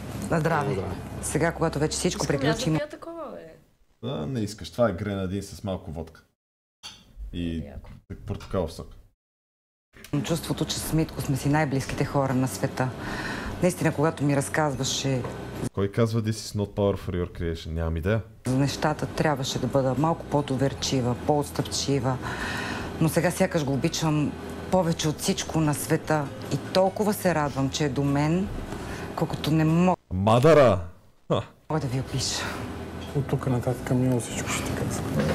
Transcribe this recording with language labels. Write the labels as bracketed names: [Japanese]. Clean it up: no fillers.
[Bulgarian] На здраве. Сега, когато вече всичко приключим... Искам я такова, бе. Да, не искаш. Това е гренадин с малко водка. И портокалов сок. Чувството, че с Митко сме си най-близките хора на света. Наистина, когато ми разказваше... Кой казва [English] This is not power for your creation? [Bulgarian] Нямам идея. За нещата трябваше да бъда малко по-доверчива, по-отстъпчива. Но сега сякаш го обичам повече от всичко на света. И толкова се радвам, че е до мен, колкото не мога... Мадара! Мога да ви опиша. От тук нататък мило всичко ще ти казвам.